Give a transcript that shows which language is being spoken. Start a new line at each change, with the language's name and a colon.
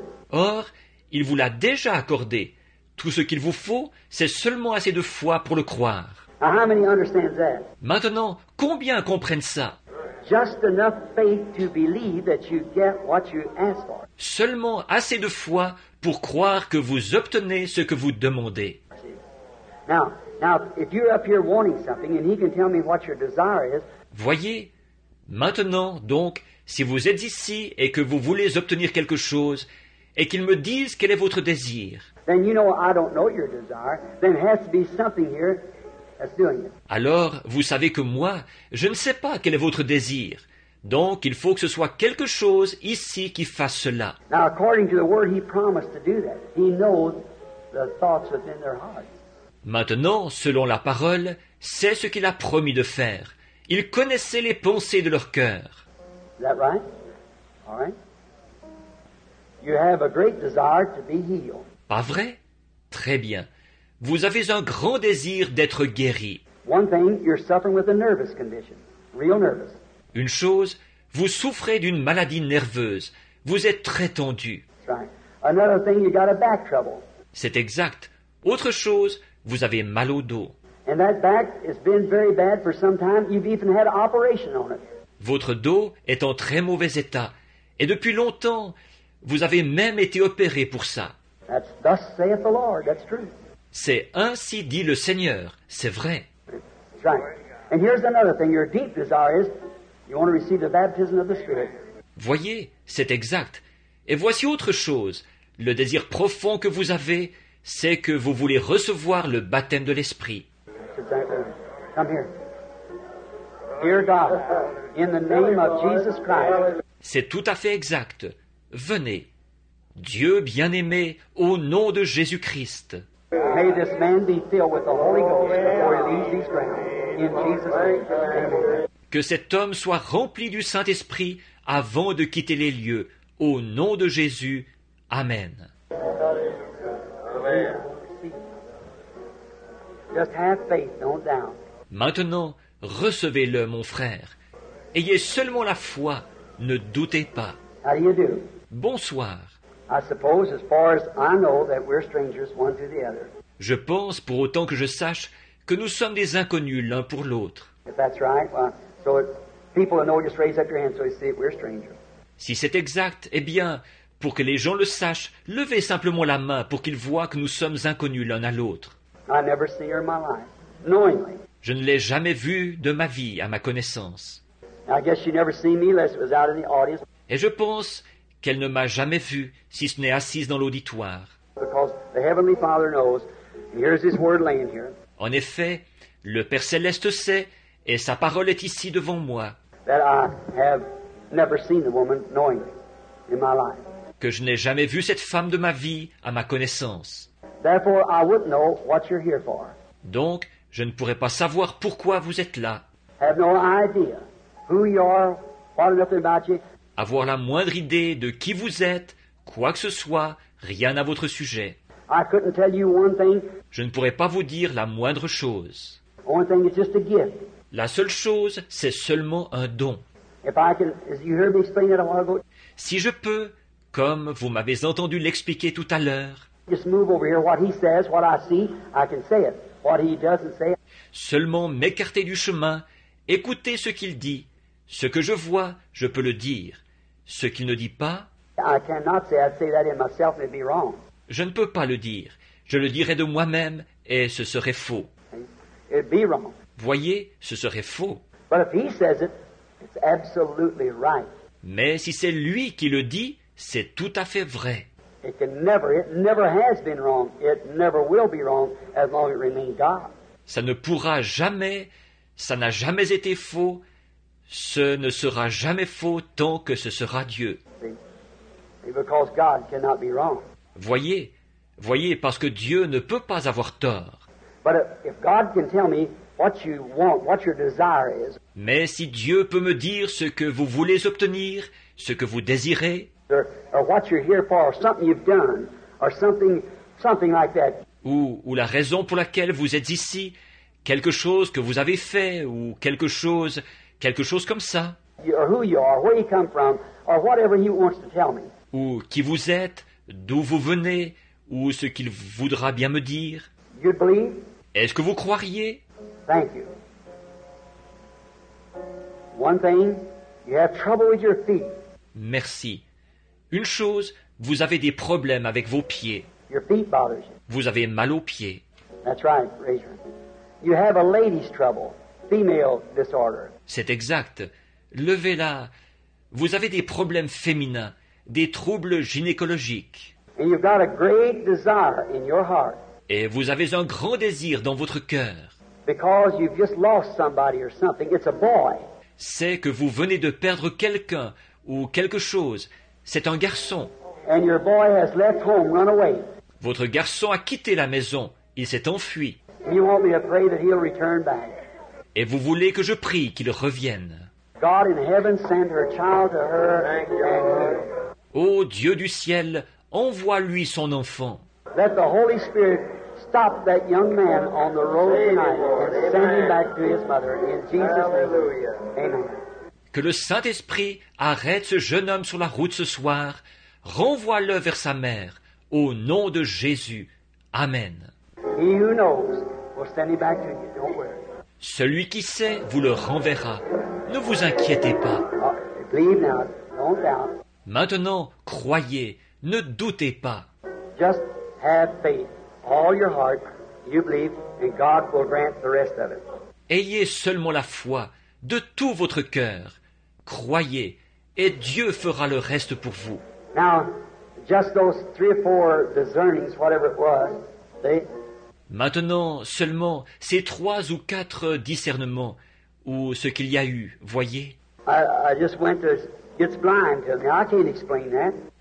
French: Or, il vous l'a déjà accordé. Tout ce qu'il vous faut, c'est seulement assez de foi pour le croire.
English: Now, how many understand that?
French: Maintenant, combien comprennent ça?
English: Just enough faith to believe that you get what you ask for.
French: Seulement assez de foi pour croire que vous obtenez ce que vous demandez.
English: Now, if you're up here wanting something and he can tell me what your desire is.
French: Voyez, maintenant donc, si vous êtes ici et que vous voulez obtenir quelque chose et qu'il me dise quel est votre désir.
English: Then you know I don't know your desire. Then it has to be something here that's doing it.
French: Alors, vous savez que moi, je ne sais pas quel est votre désir. Donc, il faut que ce soit quelque chose ici qui fasse cela.
English: Now, according to the word he promised to do that, he knows the thoughts within their hearts.
French: Maintenant, selon la parole, c'est ce qu'il a promis de faire. Il connaissait les pensées de leur cœur.
English: Is that right? All right. You have a great desire to be healed.
French: Pas vrai? Très bien. Vous avez un grand désir d'être guéri.
English: One thing, you're suffering with a nervous condition. Real nervous.
French: Une chose, vous souffrez d'une maladie nerveuse. Vous êtes très tendu.
English: Right. Another thing, you got a back trouble.
French: C'est exact. Autre chose, vous avez mal au dos.
English: And that back has been very bad for some time. You've even had an operation on it.
French: Votre dos est en très mauvais état. Et depuis longtemps, vous avez même été opéré pour ça.
English: That's thus saith the Lord. That's true.
French: C'est ainsi dit le Seigneur. C'est vrai.
English: Right. And here's another thing. Your deep desire is you want to receive the baptism of the Spirit.
French: Voyez, c'est exact. Et voici autre chose. Le désir profond que vous avez, c'est que vous voulez recevoir le baptême de l'Esprit.
English: Come here. Dear God, in the name of Jesus Christ.
French: C'est tout à fait exact. Venez. Dieu bien-aimé, au nom de Jésus-Christ.
English: May this man be filled with the Holy Ghost before he leaves these grounds. In Jesus' name. Amen.
French: Que cet homme soit rempli du Saint-Esprit avant de quitter les lieux. Au nom de Jésus. Amen.
English: Just have faith, don't doubt.
French: Maintenant, recevez-le, mon frère. Ayez seulement la foi. Ne doutez pas.
English: How do you do?
French: Bonsoir.
English: I suppose, as far as I know, that we're strangers one to the other.
French: Je pense, pour autant que je sache, que nous sommes des inconnus l'un pour l'autre.
English: If that's right, well, so people know, just raise up your hand so they see we're strangers.
French: Si c'est exact, eh bien, pour que les gens le sachent, levez simplement la main pour qu'ils voient que nous sommes inconnus l'un à l'autre.
English: I never see her in my life, knowingly.
French: Je ne l'ai jamais vue de ma vie, à ma connaissance.
English: I guess she never seen me unless it was out in the audience.
French: Et je pense qu'elle ne m'a jamais vu, si ce n'est assise dans l'auditoire.
English: Because the Heavenly Father knows, and here's His word laying here.
French: En effet, le Père Céleste sait, et sa parole est ici devant moi.
English: That I have never seen the woman knowingly in my life.
French: Que je n'ai jamais vu cette femme de ma vie à ma connaissance.
English: Therefore, I wouldn't know what you're here for.
French: Donc, je ne pourrais pas savoir pourquoi vous êtes là.
English: Have no idea who you are, what nothing about you.
French: Avoir la moindre idée de qui vous êtes, quoi que ce soit, rien à votre sujet.
English: I couldn't tell you one thing.
French: Je ne pourrais pas vous dire la moindre chose.
English: One thing is just a gift.
French: La seule chose, c'est seulement un don.
English: If I can, as you heard me explain it a while ago.
French: Si je peux, comme vous m'avez entendu l'expliquer tout à l'heure,
English: just move over here. What he says, what I see, I can say it. What he doesn't say.
French: Seulement m'écarter du chemin, écouter ce qu'il dit. Ce que je vois, je peux le dire. Ce qu'il ne dit pas,
English: I cannot say, I'd say that in myself, it'd be wrong.
French: Je ne peux pas le dire. Je le dirais de moi-même et ce serait faux.
English: It'd be wrong.
French: Voyez, ce serait faux.
English: But if he says it, it's absolutely right.
French: Mais si c'est lui qui le dit, c'est tout à fait vrai.
English: It can never, it never has been wrong. It never will be wrong as long as it remains God.
French: Ça ne pourra jamais, ça n'a jamais été faux, ce ne sera jamais faux tant que ce sera Dieu.
English: Because God cannot be wrong.
French: Voyez, voyez, parce que Dieu ne peut pas avoir tort.
English: But if God can tell me what you want, what your desire is.
French: Mais si Dieu peut me dire ce que vous voulez obtenir, ce que vous désirez,
English: or what you're here for, or something you've done, or something like that.
French: Ou la raison pour laquelle vous êtes ici, quelque chose que vous avez fait, ou quelque chose comme ça.
English: Or who you are, where you come from, or whatever he wants to tell me.
French: Ou qui vous êtes, d'où vous venez, ou ce qu'il voudra bien me dire.
English: You'd believe?
French: Est-ce que vous croiriez?
English: Thank you. One thing, you have trouble with your feet.
French: Merci. Une chose, vous avez des problèmes avec vos pieds.
English: Your feet bothers you.
French: Vous avez mal aux pieds.
English: That's right, Razor. You have a lady's trouble, female disorder.
French: C'est exact. Levez-la. Vous avez des problèmes féminins, des troubles gynécologiques.
English: And you've got a great desire in your heart.
French: Et vous avez un grand désir dans votre cœur.
English: Because you've just lost somebody or something. It's a boy.
French: C'est que vous venez de perdre quelqu'un ou quelque chose. C'est un garçon.
English: And your boy has left home, run away.
French: Votre garçon a quitté la maison. Il s'est enfui.
English: You want me to pray that he'll return back.
French: Et vous voulez que je prie qu'il revienne.
English: God in heaven send her child to her.
French: Ô Dieu du ciel, envoie-lui son enfant.
English: Let the Holy Spirit stop that young man on the road tonight and send him back to his mother in Jesus' name. Amen.
French: Que le Saint-Esprit arrête ce jeune homme sur la route ce soir. Renvoie-le vers sa mère. Au nom de Jésus. Amen.
English: He who knows will send him back to you. Don't worry.
French: Celui qui sait vous le renverra. Ne vous inquiétez pas.
English: Believe now. Don't doubt.
French: Maintenant, croyez. Ne doutez pas.
English: Just have faith. All your heart, you believe, and God will grant the rest of it.
French: Ayez seulement la foi. De tout votre cœur, croyez, et Dieu fera le reste pour vous.
English: Now, just those three or four discernings, whatever it was, see?
French: Maintenant, seulement ces trois ou quatre discernements, ou ce qu'il y a eu, voyez.
English: I just went to, it's blind to me, I can't explain that.